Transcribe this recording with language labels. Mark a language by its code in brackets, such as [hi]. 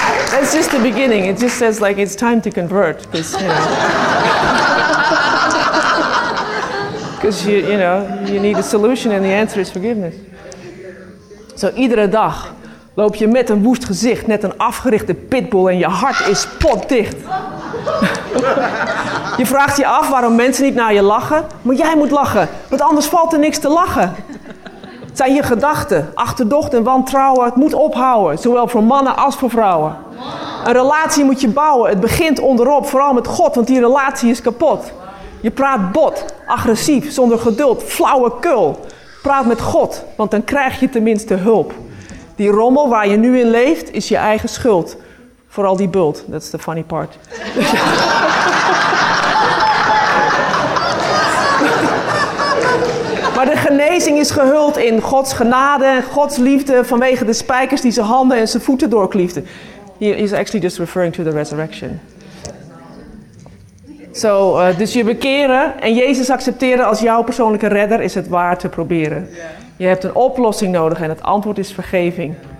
[en] That's just the beginning. It just says like it's time to convert, because you need a solution and the answer is forgiveness. [nl] So iedere dag loop je met een woest gezicht, net een afgerichte pitbull, en je hart is potdicht. Je vraagt je af waarom mensen niet naar je lachen, maar jij moet lachen, want anders valt er niks te lachen. Het zijn je gedachten, achterdocht en wantrouwen. Het moet ophouden, zowel voor mannen als voor vrouwen. Een relatie moet je bouwen. Het begint onderop, vooral met God, want die relatie is kapot. Je praat bot, agressief, zonder geduld, flauwekul. Praat met God, want dan krijg je tenminste hulp. Die rommel waar je nu in leeft, is je eigen schuld. Vooral die bult, [en] that's the funny part. [nl] Maar de genezing is gehuld in Gods genade, Gods liefde, vanwege de spijkers die zijn handen en zijn voeten doorkliefden. [en] He is actually just referring to the resurrection. [nl] Dus je bekeren en Jezus accepteren als jouw persoonlijke redder is het waard te proberen. Je hebt een oplossing nodig en het antwoord is vergeving.